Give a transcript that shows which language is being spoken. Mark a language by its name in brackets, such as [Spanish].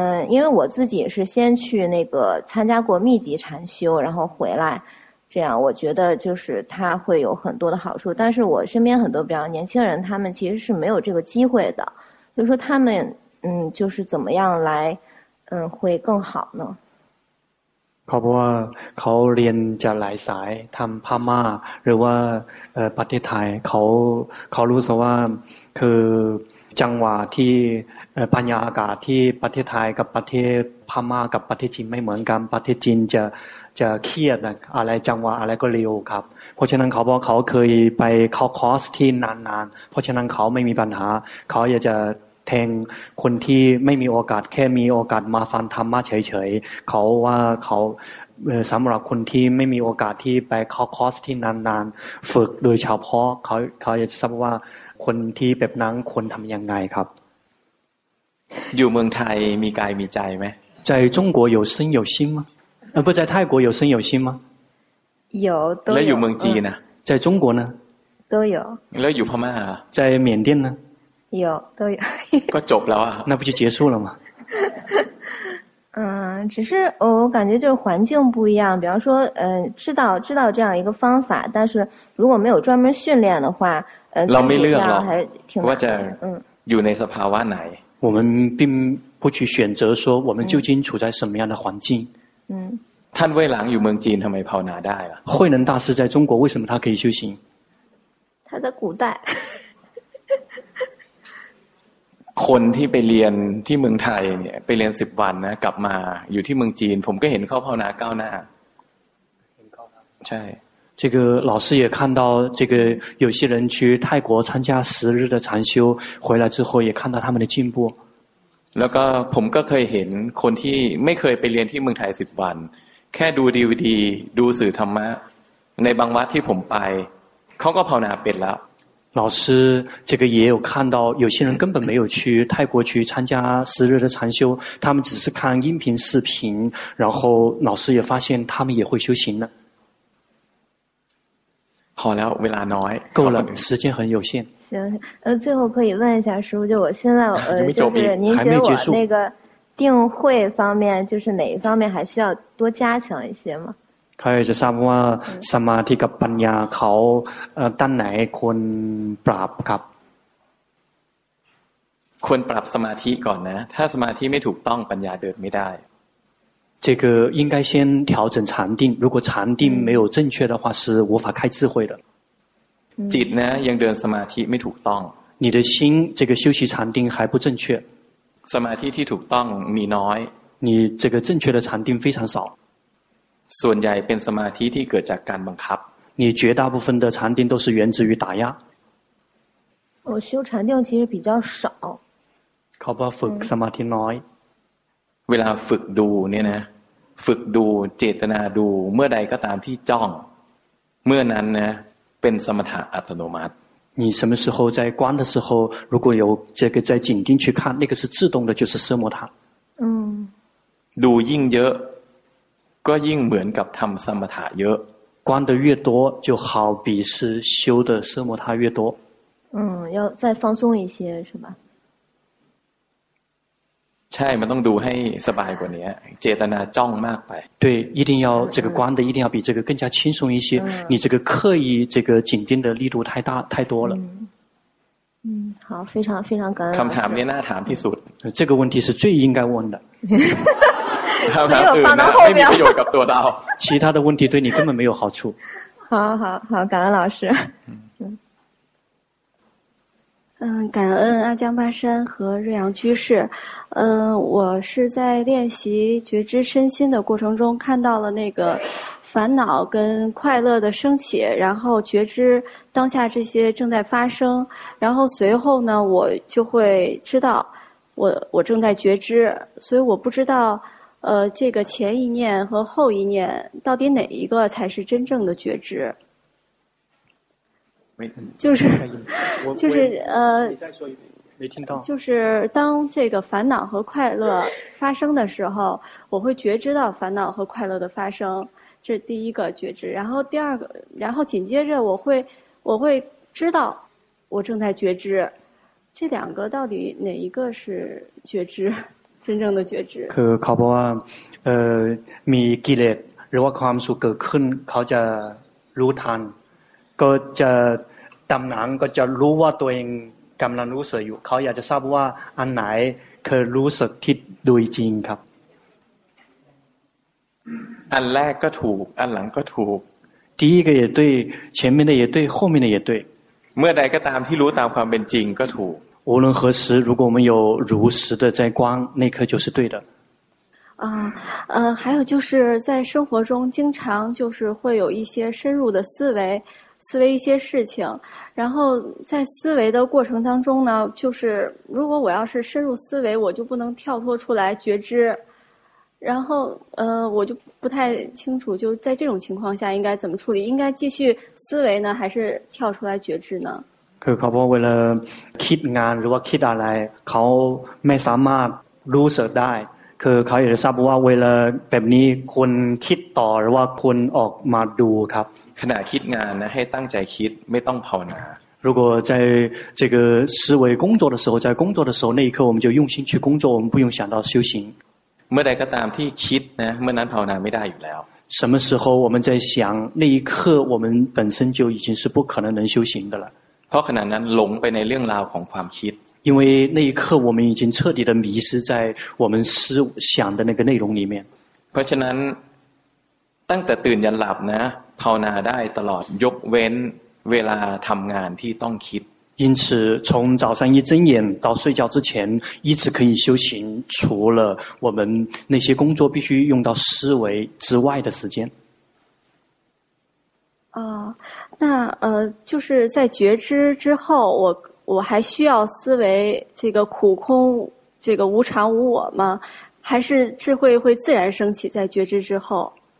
[Chinese] 因为我自己是先去那个参加过密集禅修然后回来这样我觉得就是它会有很多的好处但是我身边很多比较年轻人他们其实是没有这个机会的就是说他们就是怎么样来会更好呢 [Thai] เขาบอกว่าเขาเรียนจะหลายสายทำพม่าหรือว่าประเทศไทยเขารู้สึกว่าคือจังหวะที่บรรยากาศที่ประเทศไทยกับประเทศพม่ากับประเทศจีนไม่เหมือนกันประเทศจีน จะเครียดนะอะไรจังหวะอะไรก็เร็วครับเพราะฉะนั้นเขาบอกเขาเคยไปเข้าคอร์สที่นานๆเพราะฉะนั้นเขาไม่มีปัญหาเขาอยากจะแทงคนที่ไม่มีโอกาสแค่มีโอกาสมาฟังธรรมะเฉยๆเขาว่าเขาสำหรับคนที่ไม่มีโอกาสที่ไปเข้าคอร์สที่นานๆฝึกโดยเฉพาะเขาอยากจะทราบว่าคนที่แบบนั้นควรทำยังไงครับ อยู่เมืองไทยมีกายมีใจไหม [Chinese] ใจ中国有身有心吗不在泰国有身有心吗有都有 [Thai] แล้วอยู่เมืองจีนนะ [Chinese] 在中国呢都有 [Thai] แล้วอยู่พม่า [Chinese] 在缅甸呢有都有 [Thai] ก็จบแล้วอ่ะ [Chinese] 那不就结束了吗只是我感觉就是环境不一样比方说知道这样一个方法但是如果没有专门训练的话 [Thai] เราไม่เลือกหรอก ว่ าจะอยู่ในสภาวะไหน [Chinese] 我们并不去选择说我们究竟处在什么样的环境 [Thai] ท่านเว่ยหลังอยู่เมืองจีนทำไมภาวนาได้ล่ะ [Chinese] 慧能大师在中国为什么他可以修行他在古代 [Thai] คนที่ไปเรียนที่เมืองไทยเนี่ยไปเรียน10วันนะกลับมาอยู่ที่เมืองจีนผมก็เห็นเขาภาวนาก้าวหน้าใช่ [Chinese] 这个老师也看到这个有些人去泰国参加十日的禅修回来之后也看到他们的进步 [Thai] แล้วก็ผมก็เคยเห็นคนที่ไม่เคยไปเรียนที่เมืองไทย10วัน แค่ดูดีวีดีดูสื่อธรรมะในบางวัดที่ผมไปเขาก็ภาวนาเป็นแล้ว [Chinese] 老师这个也有看到有些人根本没有去泰国去参加十日的禅修他们只是看音频视频然后老师也发现他们也会修行了好了， [Thai] เวลาน้อย [Chinese] 够了，时间很有限。行，最后可以问一下师傅，就我现在就是您觉得我那个定慧方面，就是哪一方面还需要多加强一些吗？ [Thai] คือจะทราบว่าสมาธิกับปัญญาเขาด้านไหนควรปรับครับ？ ควรปรับสมาธิก่อนนะถ้าสมาธิไม่ถูกต้องปัญญาเดินไม่ได้ [Chinese] 这个应该先调整禅定如果禅定没有正确的话是无法开智慧的 [Thai] จิตนะยังเดินสมาธิไม่ถูกต้อง [Chinese] 你的心这个修习禅定还不正确 [Thai] สมาธิที่ถูกต้องมีน้อย [Chinese] 你这个正确的禅定非常少 [Thai] ส่วนใหญ่เป็นสมาธิที่เกิดจากการบังคับ [Chinese] 你绝大部分的禅定都是源自于打压我修禅定其实比较少 [Thai] ขอบฝึกสมาธิน้อย เวลาฝึกดูเนี่ยนะฝึกดูเจตนาดูเมื่อใดก็ตามที่จ้องเมื่อนั้นนะเป็นสมถะอัตโนมัติ [Chinese] 你什么时候在观的时候如果有这个在紧盯去看那个是自动的就是奢摩他 [Thai] ดูยิ่งเยอะก็ยิ่งเหมือนกับทำสมถะเยอะ [Chinese] 观的越多就好比是修的奢摩他越多要再放松一些是吧 [Thai] ใช่มันต้องดูให้สบายกว่านี้เจตนาจ้องมากไป [Chinese] 对一定要这个观的一定要比这个更加轻松一些你这个刻意这个紧盯的力度太大太多了好非常非常感恩 [Thai] คำถามนี้น่าถามที่สุด [Chinese] 这个问题是最应该问的 [Thai] คำถามอื่นไม่มีประโยชน์กับตัวเรา [Chinese] 其他的问题对你根本没有好处好感恩老师感恩阿江巴山和瑞阳居士我是在练习觉知身心的过程中看到了那个烦恼跟快乐的升起然后觉知当下这些正在发生然后随后呢我就会知道我正在觉知所以我不知道这个前一念和后一念到底哪一个才是真正的觉知就是当这个烦恼和快乐发生的时候我会觉知到烦恼和快乐的发生这是第一个觉知然后第二个然后紧接着我会知道我正在觉知这两个到底哪一个是觉知真正的觉知 [Thai] คือเขาบอกว่ามีกิเลสหรือว่าความสุขเกิดขึ้นเขาจะรู้ทันก็จะดำนังก็จะรู้ว่าตัวเองกำลังรู้สึกอยู่เขาอยากจะทราบว่าอันไหนคือรู้สึกที่ดูจริงครับ อันแรกก็ถูกอันหลังก็ถูก [Chinese] 第一个也对前面的也对后面的也对 [Thai] เมื่อใดก็ตามที่รู้ตามความเป็นจริงก็ถูก [Chinese] 无论何时如果我们有如实的在观那颗就是对的还有就是在生活中经常就是会有一些深入的思维一些事情然后在思维的过程当中呢就是如果我要是深入思维我就不能跳脱出来觉知然后我就不太清楚就在这种情况下应该怎么处理应该继续思维呢还是跳出来觉知呢 [Thai] คือเขาบอกว่าเวลาคิดงานหรือว่าคิดอะไรเขาไม่สามารถรู้สึกได้คือเขาอยากจะทราบว่าเวลาแบบนี้ควรคิดต่อหรือว่าควรออกมาดูครับ ขณะคิดงานนะให้ตั้งใจคิดไม่ต้องภาวนา [Chinese] 如果在这个思维工作的时候在工作的时候那一刻我们就用心去工作我们不用想到修行 [Thai] เมื่อใดก็ตามที่คิดนะเมื่อนั้นภาวนาไม่ได้อยู่แล้ว [Chinese] 什么时候我们在想那一刻我们本身就已经是不可能能修行的了 [Thai] เพราะขณะนั้นหลงไปในเรื่องราวของความคิด [Chinese] 因为那一刻我们已经彻底的迷失在我们思想的那个内容里面 [Thai] เพราะฉะนั้นตั้งแต่ตื่นยันหลับนะภาวนาได้ตลอดยกเว้นเวลาทำงานที่ต้องคิด [Chinese] 因此从早上一睁眼到睡觉之前一直可以修行除了我们那些工作必须用到思维之外的时间那就是在觉知之后我还需要思维这个苦空这个无常无我吗还是智慧会自然升起在觉知之后